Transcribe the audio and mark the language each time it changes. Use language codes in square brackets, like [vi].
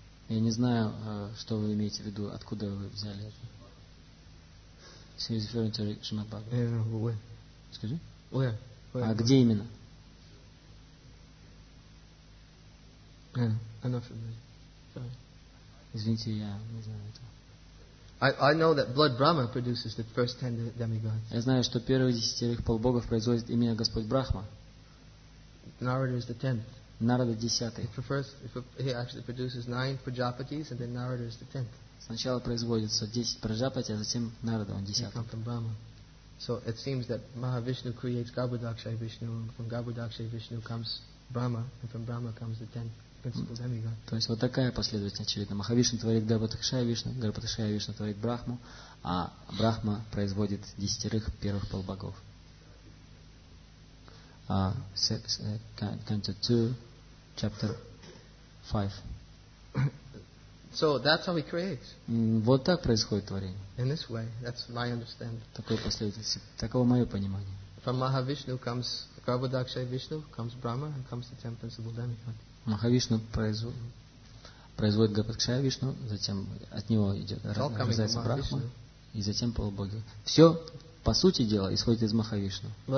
[ru] Я не знаю, что вы имеете в виду, откуда вы взяли это. [en] So he's referring to Shrimad Bhagavatam. I don't know where. [ru] Скажи? [en] Where? [ru] А где именно? [en] I'm not familiar. Sorry. [ru] Извините, я не знаю этого. [en] I know that blood Brahma produces the first 10 demigods. [ru] Я знаю, что первых десятерых полубогов производит именно Господь Брахма. [en] Narada is the 10th. [ru] Narada десятый. [en] He actually produces 9 Prajapatis, and then Narada is the 10th. [ru] Сначала производится 10 Прожапати, а затем Нарада, он 10. [en] He comes from Brahma. So it seems that Mahavishnu creates Garbhodakshaya Vishnu, and from Garbhodakshaya Vishnu comes Brahma, and from Brahma comes the 10th. [ru] То есть вот такая последовательность очевидна. Махавишна творит Гарбхадакшая Вишну, Гарбхадакшая Вишна творит Брахму, а Брахма производит десятерых первых полубогов. [en] Canto 2, chapter 5. So that's how he creates. [ru] Вот так происходит творение. [en] In this way, that's my understanding. [ru] Такой последовательности, таково мое понимание. [en] From Mahavishnu comes Prabhu Dakshay Vishnu, comes Brahma and comes to the temples of the demigod. [ru] Mahavishnu производит Гападакшая Вишну, затем от него идет рождается Брахма, и затем полубоги. Все, по сути дела, исходит из Махавишну.